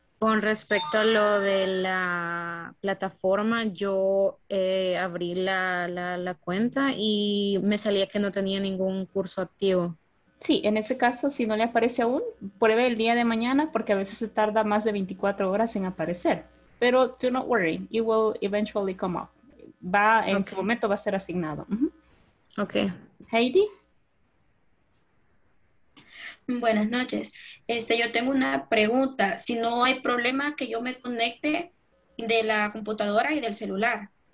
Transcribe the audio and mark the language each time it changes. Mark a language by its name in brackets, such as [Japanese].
[Spanish] Con respecto a lo de la plataforma, yo abrí la cuenta y me salía que no tenía ningún curso activo. Sí, en ese caso, si no le aparece aún, pruebe el día de mañana porque a veces se tarda más de 24 horas en aparecer. [English] Pero do not worry, it will eventually come up. [Spanish] Va, en okay. Su momento va a ser asignado. Ok. Heidi. Buenas noches. Yo tengo una pregunta. Si no hay problema, que yo me conecte de la computadora y del celular.